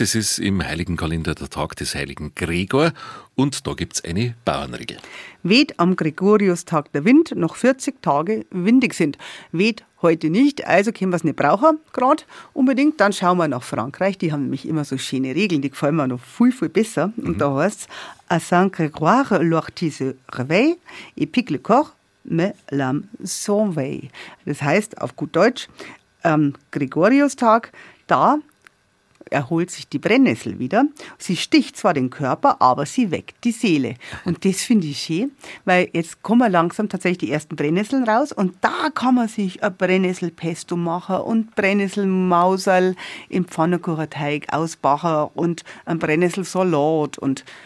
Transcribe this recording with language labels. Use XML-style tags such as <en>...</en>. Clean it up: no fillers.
<de>Es ist im Heiligen Kalender der Tag des Heiligen Gregor. Und da gibt es eine Bauernregel. Weht am Gregoriustag der Wind, noch 40 Tage windig sind. Weht heute nicht, also können wir es nicht brauchen, gerade unbedingt. Dann schauen wir nach Frankreich, die haben nämlich immer so schöne Regeln, die gefallen mir noch viel, viel besser. Mhm. Und da heißt es,</de> <fr>à Saint-Grégoire, l'ortise réveille, et pique le corps, mais l'âme s'en veille.</fr> <de>Das heißt auf gut Deutsch, Gregoriustag, da erholt sich die Brennnessel wieder. Sie sticht zwar den Körper, aber sie weckt die Seele. Und das finde ich schön, weil jetzt kommen langsam tatsächlich die ersten Brennnesseln raus und da kann man sich ein Brennnesselpesto machen und Brennnesselmauserl im Pfannkuchenteig ausbacken und ein Brennnesselsalat und</de>